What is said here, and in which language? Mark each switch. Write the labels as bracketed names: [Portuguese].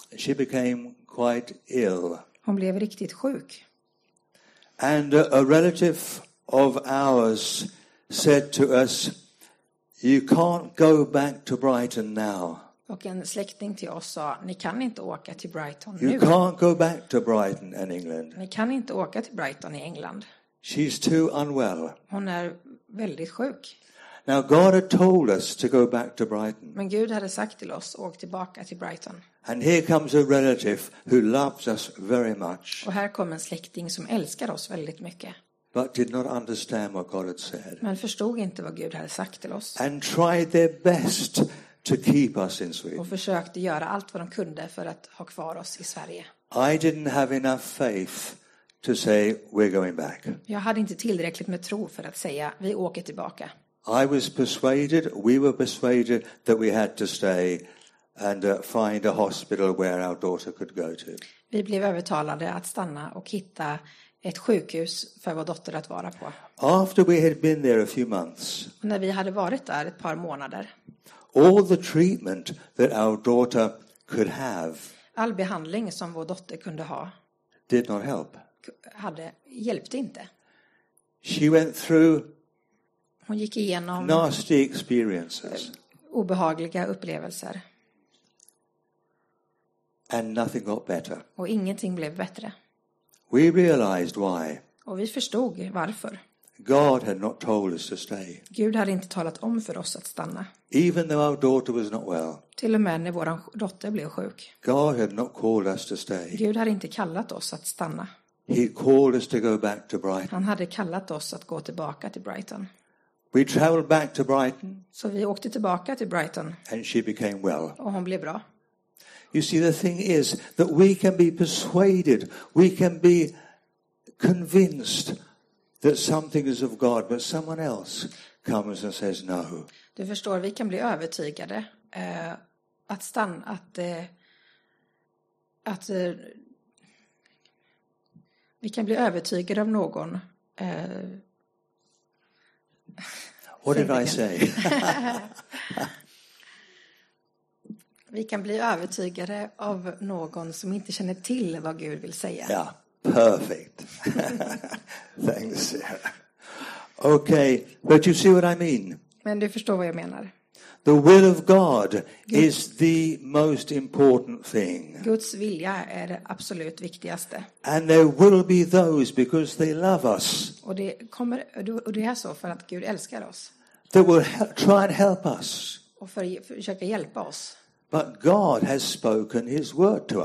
[English] She became quite ill. [Swedish] Hon blev riktigt sjuk. [English] And a relative of ours said to us, you can't go back to Brighton now. [Swedish] Och en släkting till oss sa, ni kan inte åka till Brighton nu. [English] You can't go back to Brighton in England. [Swedish] Ni kan inte åka till Brighton i England. [English] She's too unwell. [Swedish] Hon är väldigt sjuk. [English] Now God had told us to go back to Brighton. [Swedish] Men Gud hade sagt till oss, åk tillbaka till Brighton. [English] And here comes a relative who loves us very much. [Swedish] Och här kommer en släkting som älskar oss väldigt mycket. [English] But did not understand what God had said. [Swedish] Men förstod inte vad Gud hade sagt till oss. [English] And tried their best to keep us in Sweden. [Swedish] Och försökte göra allt vad de kunde för att ha kvar oss i Sverige. [English] I didn't have enough faith to say we're going back. [Swedish] Jag hade inte tillräckligt med tro för att säga vi åker tillbaka. [English] I was persuaded, we were persuaded that we had to stay and find a hospital where our daughter could go to. [Swedish] Vi blev övertalade att stanna och hitta ett sjukhus för vår dotter att vara på. [English] After we had been there a few months. [Swedish] När vi hade varit där ett par månader. [English] All the treatment that our daughter could have. [Swedish] All behandling som vår dotter kunde ha. [English] Did not help. [Swedish] Hjälpte inte. [English] She went through. [Swedish] Hon gick igenom [English] nasty experiences. [Swedish] Obehagliga upplevelser. [English] And nothing got better. [Swedish] Och ingenting blev bättre. [English] We realized why. [Swedish] Och vi förstod varför. [English] God had not told us to stay. [Swedish] Gud hade inte talat om för oss att stanna. [English] Even though our daughter was not well. [Swedish] Till och med när vår dotter blev sjuk. [English] God had not called us to stay. [Swedish] Gud hade inte kallat oss att stanna. [English] He called us to go back to Brighton. [Swedish] Han hade kallat oss att gå tillbaka till Brighton. [English] We traveled back to Brighton. [Swedish] Så vi åkte tillbaka till Brighton. [English] And she became well. [Swedish] Och hon blev bra. [English] You see, the thing is that we can be persuaded, we can be convinced that something is of God, but someone else comes and says no. [Swedish] Du förstår, vi kan bli övertygade att vi kan bli övertygade av någon. [English] What did I say? [Swedish] Vi kan bli övertygade av någon som inte känner till vad Gud vill säga. [English] Ja, yeah, perfect. Thanks. Okay, but you see what I mean. [Swedish] Men du förstår vad jag menar. [English] The will of God is the most important thing. [Swedish] Guds vilja är det absolut viktigaste. [English] And there will be those because they love us. [Swedish] Och det är så för att Gud älskar oss. [English] They will try and help us. [Swedish] Och för att försöka hjälpa oss. [English] But God has spoken his word to us.